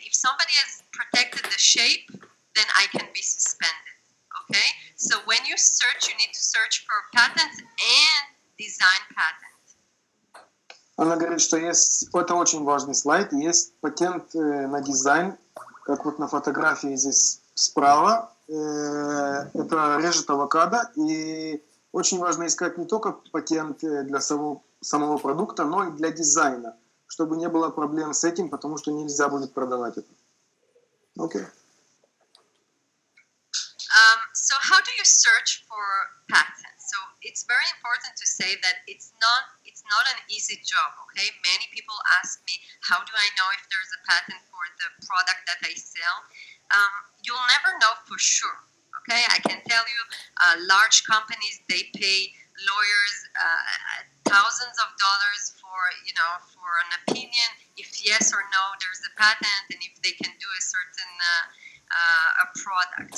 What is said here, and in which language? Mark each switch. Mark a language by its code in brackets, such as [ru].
[en] If somebody has protected the shape, then I can be suspended. Okay, so when you search, you need to search for patent and design patent. [ru] Она говорит, что есть, это очень важный слайд, есть патент на дизайн, как вот на фотографии здесь справа, это режет авокадо, и очень важно искать не только патент для самого продукта, но и для дизайна, чтобы не было проблем с этим, потому что нельзя будет продавать это. Окей. [en] So how do you search for patents? So it's very important to say that it's not an easy job, okay? Many people ask me, how do I know if there's a patent for the product that I sell? You'll never know for sure, okay? I can tell you, large companies, they pay lawyers thousands of dollars for, you know, for an opinion if yes or no there's a patent and if they can do a certain a product.